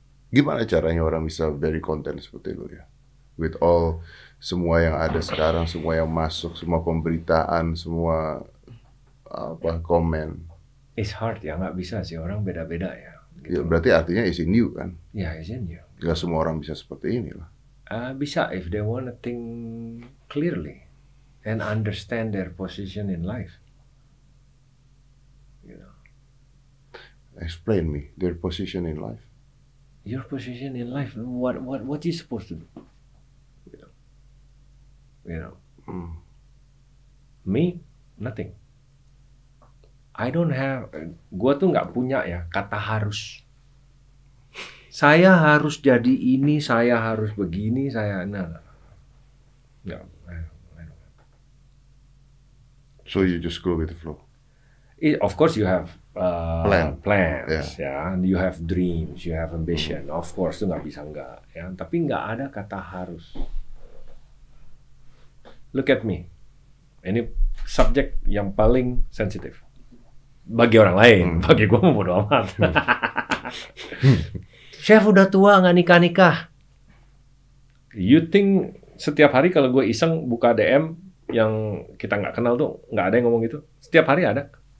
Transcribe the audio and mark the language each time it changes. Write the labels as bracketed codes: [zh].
[id] Gimana caranya orang bisa [en] very content [id] seperti lo ya? [en] With all [id] semua yang ada sekarang, semua yang masuk, semua pemberitaan, semua apa komen. [en] It's hard [id] ya, nggak bisa sih orang beda-beda ya. Gitu. Ya berarti artinya isi new kan? Ya isi new. Gak semua orang bisa seperti ini lah. [en] Bisa, if they want to think clearly and understand their position in life. You know. Explain me their position in life. Your position in life, what you supposed to do? You know. Me, nothing. I don't have, [id] gua tuh nggak punya ya kata harus. Saya harus jadi ini, saya harus begini, saya nah. [en] So you just go with the flow. It, of course you have plans, Yeah, and you have dreams, you have ambition. [id] Mm-hmm. [en] Of course [id] itu nggak bisa nggak, ya. Tapi nggak ada kata harus. [en] Look at me. [id] Ini subjek yang paling sensitif bagi orang lain. Mm. Bagi gua mau bodo amat. Chef udah tua nggak nikah-nikah. [en] You think [id] setiap hari kalau gue iseng buka DM yang kita nggak kenal tuh nggak ada yang ngomong gitu? Setiap hari ada.